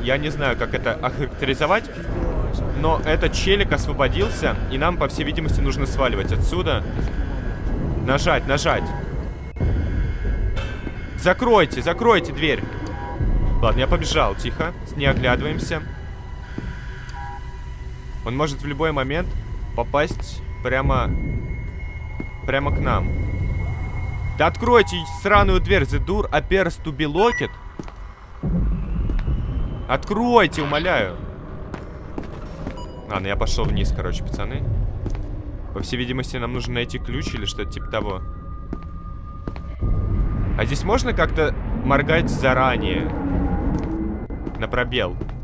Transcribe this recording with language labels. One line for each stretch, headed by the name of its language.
Russian: Я не знаю, как это охарактеризовать, но этот челик освободился, и нам, по всей видимости, нужно сваливать отсюда. Нажать, нажать. Закройте, закройте дверь. Ладно, я побежал, тихо, не оглядываемся. Он может в любой момент попасть прямо к нам. Да откройте сраную дверь,
English: the door appears to be locked.
Russian: Откройте, умоляю. Ладно, я пошел вниз, короче, пацаны. По всей видимости, нам нужно найти ключ или что-то типа того. А здесь можно как-то моргать заранее? На пробел.